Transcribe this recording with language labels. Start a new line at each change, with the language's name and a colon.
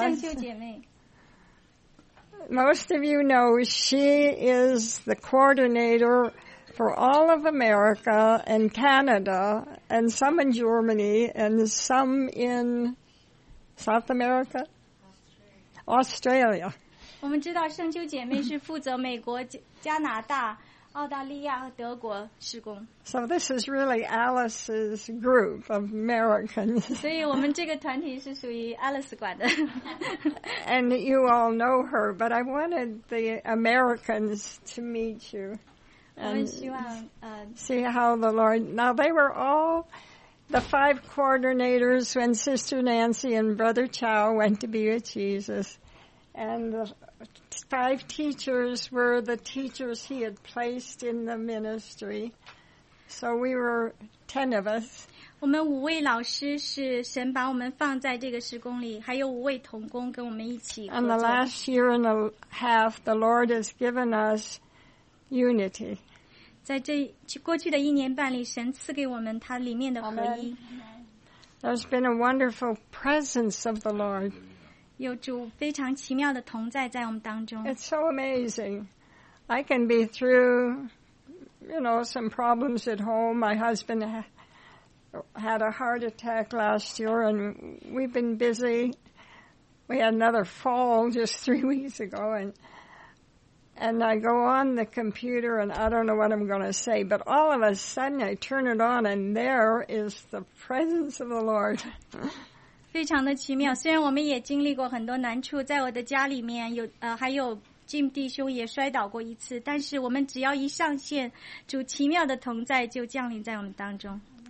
Chinese: 圣秀姐妹。
English: Most of you know she is the coordinator for all of America and Canada and some in Germany and some in South America? Australia.
Chinese: 我们知道圣秀姐妹是负责美国、加拿大、澳大利亚和德国施工。
English: So this is really Alice's group of Americans.
Chinese: 所以我们这个团体是属于 Alice 管的。
English: And you all know her, but I wanted the Americans to meet you.
Chinese: 我们希望
English: see how the Lord. Now they were all the 5 coordinators when Sister Nancy and Brother Chow went to be with Jesus, and the 5 teachers were the teachers he had placed in the ministry. So we were 10 of us.
Chinese: 我们五位老师是神把我们放在这个施工里，还有五位同工跟我们一起合作。
English: And the last year and a half, the Lord has given us unity.
Chinese: 在这过去的一年半里，神赐给我们他里面的合一。
English: There's been a wonderful presence of the Lord.
Chinese: 有主非常奇妙的同在在我们当中。
English: It's so amazing. I can be through, you know, some problems at home. My husband had a heart attack last year, and we've been busy. We had another fall just 3 weeks ago, and I go on the computer, and I don't know what I'm going to say, but all of a sudden I turn it on, and there is the presence of the Lord.
Chinese: 非常的奇妙。虽然我们也经历过很多难处，在我的家里面有还有Jim 弟兄也摔倒过一次，但是我们只要一上线，主奇妙的同在就降临在我们当中。